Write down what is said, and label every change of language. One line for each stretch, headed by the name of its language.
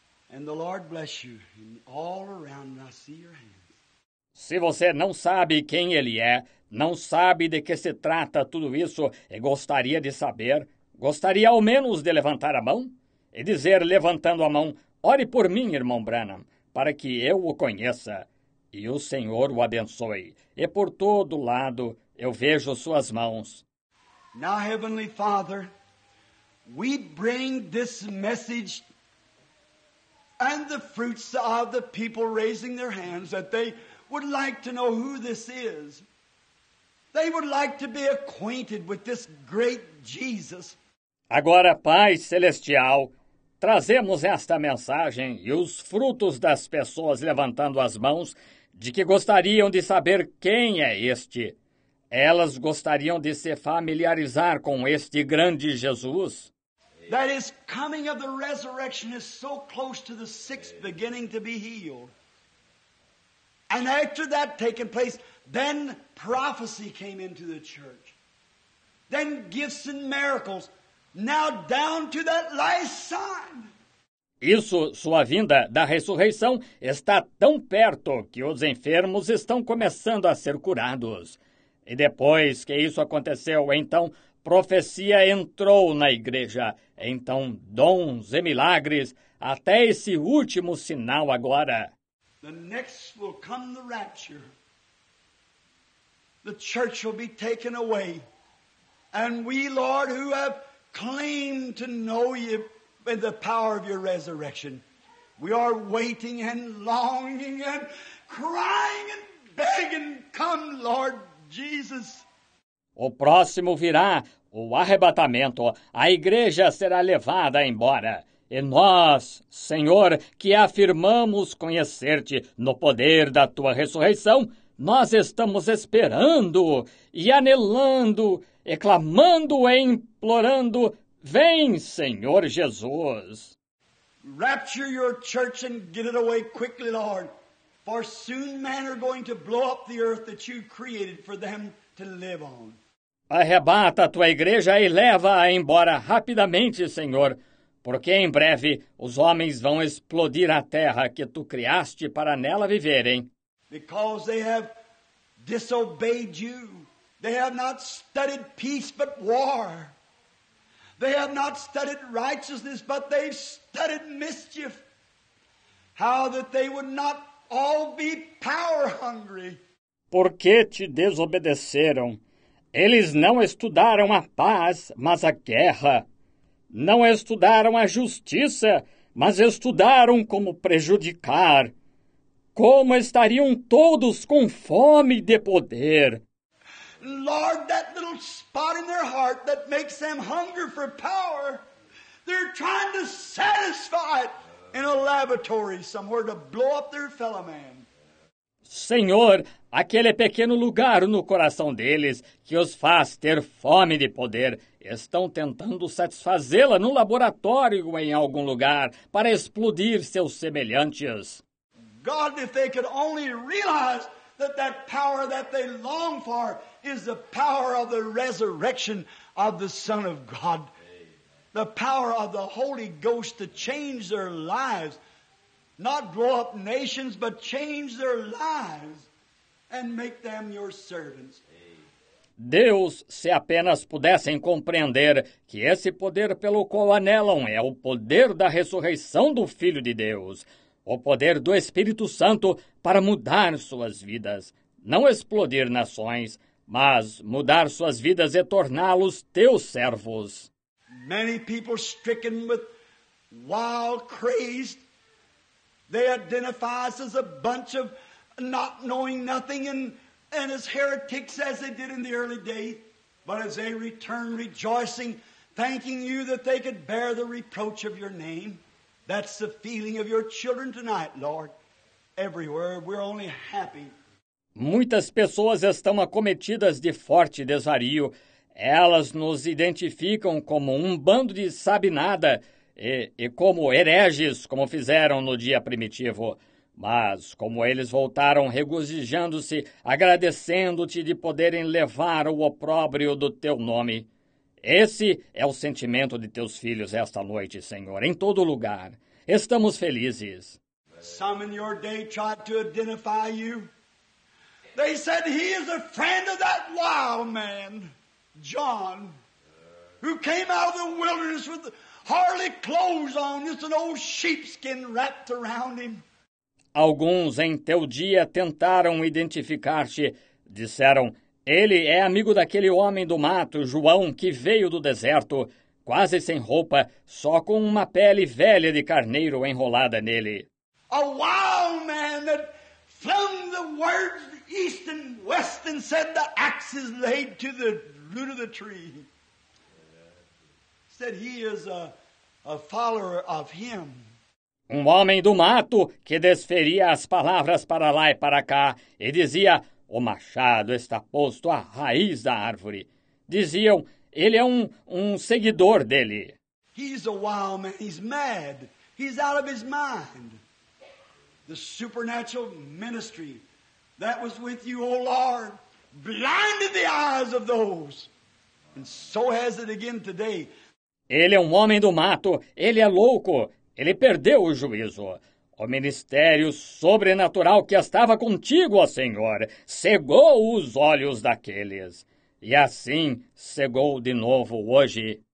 English: And the Lord bless you. And all around, I see your hands.
Portuguese: Se você não sabe quem ele é, não sabe de que se trata tudo isso e gostaria de saber, gostaria ao menos de levantar a mão? E dizer, levantando a mão, ore por mim, irmão Branham, para que eu o conheça. E o Senhor o abençoe. E por todo lado eu vejo suas mãos.
English: Now, Heavenly Father, we bring this message and the fruits of the people raising their hands that they would like to know who this is. They would like to be acquainted with this great Jesus.
Portuguese: Agora, Pai Celestial, trazemos esta mensagem e os frutos das pessoas levantando as mãos de que gostariam de saber quem é este. Elas gostariam de se familiarizar com este grande Jesus.
English: That is coming of the resurrection is so close to the sixth beginning to be healed. And after that taking place, then prophecy came into the church. Then gifts and miracles. Now down to that last sign.
Portuguese: Isso, sua vinda da ressurreição, está tão perto que os enfermos estão começando a ser curados. E depois que isso aconteceu, então, profecia entrou na igreja. Então, dons e milagres, até esse último sinal agora.
English: The next will come the rapture. The church will be taken away. And we, Lord, who have claim to know you by the power of your resurrection. We are waiting and longing and crying and begging, come, Lord Jesus.
Portuguese: O próximo virá, o arrebatamento, a igreja será levada embora. E nós, Senhor, que afirmamos conhecer-te no poder da tua ressurreição, nós estamos esperando e anelando, e clamando e implorando, vem, Senhor Jesus.
English: Rapture your church and get it away quickly, Lord. For soon men are going to blow up the earth that you created for them to live on.
Portuguese: Arrebata a tua igreja e leva-a embora rapidamente, Senhor, porque em breve os homens vão explodir a terra que tu criaste para nela viverem.
English: Because they have disobeyed you. They have not studied peace but war. They have not studied righteousness, but they've studied mischief. How that they would not all be power hungry.
Portuguese: Por que te desobedeceram? Eles não estudaram a paz, mas a guerra. Não estudaram a justiça, mas estudaram como prejudicar. Como estariam todos com fome de poder?
English: Lord, that little spot in their heart that makes them hunger for power, they're trying to satisfy it in a laboratory somewhere to blow up their fellow man.
Portuguese: Senhor, aquele pequeno lugar no coração deles que os faz ter fome de poder, estão tentando satisfazê-la no laboratório em algum lugar para explodir seus semelhantes.
English: God, if they could only realize that power that they long for is the power of the resurrection of the Son of God. The power of the Holy Ghost to change their lives. Not blow up nations, but change their lives and make them your servants.
Portuguese: Deus, se apenas pudessem compreender que esse poder pelo qual anelam é o poder da ressurreição do Filho de Deus, o poder do Espírito Santo para mudar suas vidas, não explodir nações, mas mudar suas vidas e torná-los teus servos.
English: Many people stricken with wild crazed, they identify us as a bunch of not knowing nothing and as heretics as they did in the early day, but as they return rejoicing, thanking you that they could bear the reproach of your name. That's the feeling of your children tonight, Lord. Everywhere, we're only happy.
Portuguese: Muitas pessoas estão acometidas de forte desvario. Elas nos identificam como um bando de sabe-nada e como hereges, como fizeram no dia primitivo. Mas como eles voltaram regozijando-se, agradecendo-te de poderem levar o opróbrio do teu nome. Esse é o sentimento de teus filhos esta noite, Senhor, em todo lugar. Estamos felizes.
English: Some in your day tried to identify you. They said he is a friend of that wild man, John, who came out of the wilderness with hardly clothes on, just an old sheepskin wrapped around him.
Portuguese: Alguns em teu dia tentaram identificar-te, disseram, ele é amigo daquele homem do mato, João, que veio do deserto, quase sem roupa, só com uma pele velha de carneiro enrolada nele.
English: A wild man that flung the words east and west and said the axe is laid to the root of the tree. Said he is a follower of him.
Portuguese: Um homem do mato que desferia as palavras para lá e para cá e dizia, o machado está posto à raiz da árvore. Diziam, ele é um seguidor dele.
English: He's a wild man. He's mad. He's out of his mind. The supernatural ministry that was with you, O Lord, blinded the eyes of those. And so has it again today.
Portuguese: Ele é um homem do mato. Ele é louco. Ele perdeu o juízo. O ministério sobrenatural que estava contigo, ó Senhor, cegou os olhos daqueles. E assim cegou de novo hoje.